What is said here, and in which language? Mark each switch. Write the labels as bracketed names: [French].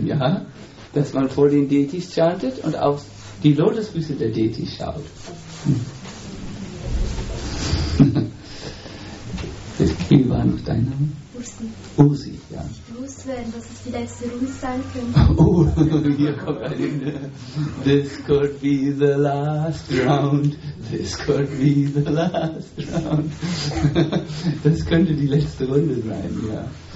[German] Ja, dass man vor den Deities chantet und auf die Lotusfüße der Deities schaut. Wie war noch dein Name? Ursi. Ursi, ja. Ich wusste, dass es die letzte Runde sein könnte. Oh, hier kommt ein Ende. [English] This could be the last round. This could be the last round. [German] Das könnte die letzte Runde sein, ja.